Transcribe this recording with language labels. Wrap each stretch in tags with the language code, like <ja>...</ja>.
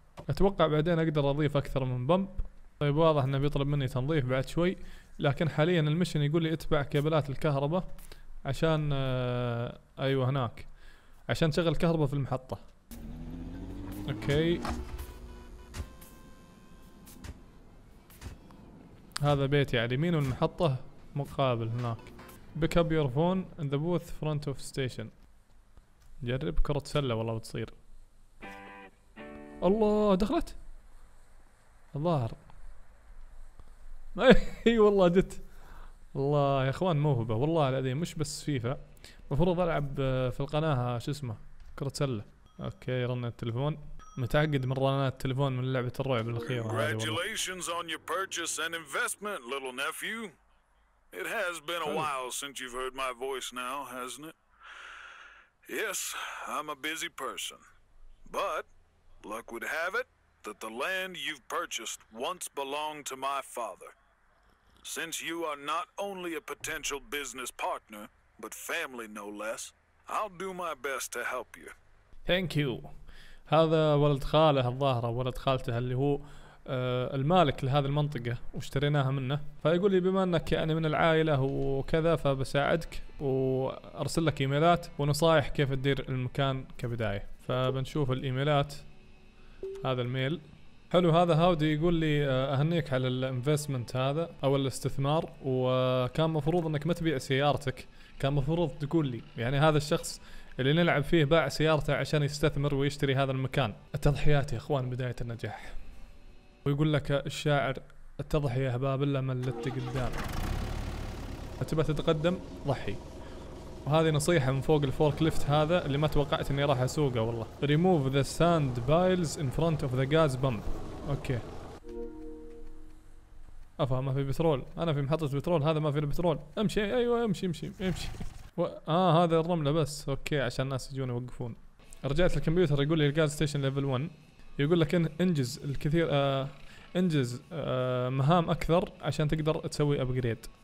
<ar>اتوقع بعدين اقدر اضيف اكثر من بمب. طيب واضح انه بيطلب مني تنظيف بعد شوي، لكن حاليا المشن يقول لي اتبع كابلات الكهرباء عشان ايوه هناك عشان تشغل الكهرباء في المحطة. اوكي هذا بيتي على اليمين والمحطة مقابل هناك.</ar> <en>Pick up your phone in the booth front of station.</en> <ar>جرب كرة سلة والله بتصير. الله دخلت الظاهر. اي والله جت. الله يا اخوان موهبة والله العظيم، مش بس فيفا، مفروض العب في القناة شو اسمه كرة سلة. اوكي رن التلفون، متعقد من رنات التلفون من لعبة الرعب الاخيرة.</ar> <en>Congratulations on your purchase and investment little nephew. It has been a while since you've heard my voice now, hasn't it? Yes, I'm a busy person. But, luck would have it that the land you've purchased once belonged to my father. Since you are not only a potential business partner, but family no less, I'll do my best to help you. Thank you.</en> <ar>هذا ولد خاله الظاهرة، ولد خالته اللي هو المالك لهذه المنطقة واشتريناها منه، فيقول لي بما انك يعني من العائلة وكذا فبساعدك وارسل لك ايميلات ونصائح كيف تدير المكان كبداية. فبنشوف الايميلات، هذا الميل حلو. هذا هاودي يقول لي اهنيك على الانفستمنت هذا او الاستثمار، وكان مفروض انك ما تبيع سيارتك، كان مفروض تقول لي. يعني هذا الشخص اللي نلعب فيه باع سيارته عشان يستثمر ويشتري هذا المكان. التضحيات يا اخوان بداية النجاح. ويقول لك الشاعر التضحية هباب إلا من لت قدام. تبى تتقدم ضحي. وهذه نصيحة من فوق الفورك ليفت هذا اللي ما توقعت اني راح اسوقه والله.</ar> <en>Remove the sand piles in front of the gas pump.</en> <ar>اوكي. افا ما في بترول. انا في محطة بترول، هذا ما في البترول. امشي ايوه امشي امشي امشي. هذا الرملة بس. اوكي عشان الناس يجون يوقفون. رجعت الكمبيوتر يقول لي الجاز ستيشن ليفل 1. يقول لك انجز الكثير انجز مهام اكثر عشان تقدر تسوي ابجريد.</ar>